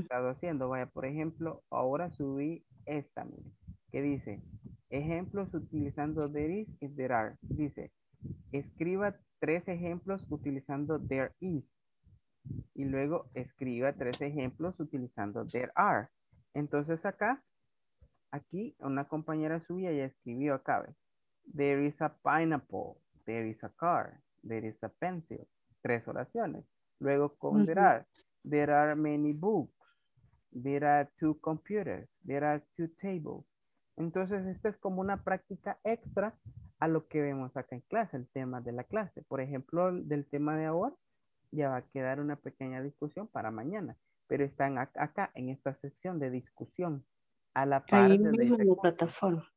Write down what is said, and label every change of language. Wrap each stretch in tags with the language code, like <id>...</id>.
<es>estado haciendo. Vaya, por ejemplo, ahora subí esta, mire, que dice, ejemplos utilizando</es> <en>there is</en> <es>y</es> <en>there are.</en> <es>Dice, escriba tres ejemplos utilizando</es> <en>there is.</en> <es>Y luego escriba tres ejemplos utilizando</es> <en>there are.</en> <es>Entonces acá, aquí una compañera suya ya escribió acá. ¿Ve?</es> <en>There is a pineapple, there is a car, there is a pencil.</en> <es>Tres oraciones. Luego con</es> <en>uh-huh. there are. There are many books. There are two computers. There are two tables.</en> <es>Entonces, esta es como una práctica extra a lo que vemos acá en clase, el tema de la clase. Por ejemplo, del tema de ahora, ya va a quedar una pequeña discusión para mañana. Pero están acá, en esta sección de discusión, a la par ahí de... Ahí mismo la plataforma.</es>